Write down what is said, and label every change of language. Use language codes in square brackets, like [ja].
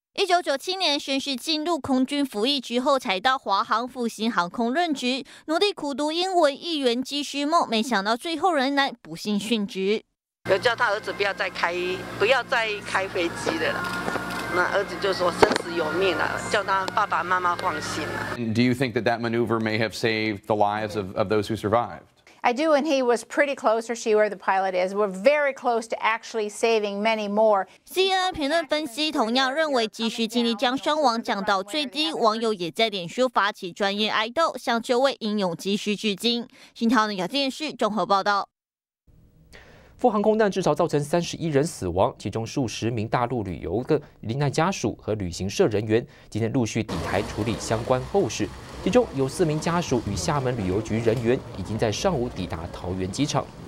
[zh] 1997年宣誓进入空军服役之后，才到华航复兴航空任职，努力苦读英文一员机师梦，没想到最后仍然不幸殉职。有叫他儿子不要再开飞机的了，那儿子就说生死有命了，叫他爸爸妈妈放心了。 [en] Do you think that maneuver may have saved the lives of those who survived? I do, and he was pretty close, or she, where the pilot is. We're very close to actually saving many more. [zh] CNN 评论分析同样认为，机师尽力将伤亡降到最低。网友也在脸书发起专业哀悼，向这位英勇机师致敬。新唐人亚电视综合报道。复航空难至少造成31人死亡，其中数十名大陆旅游的罹难家属和旅行社人员今天陆续抵台处理相关后事，其中有4名家属与厦门旅游局人员已经在上午抵达桃园机场。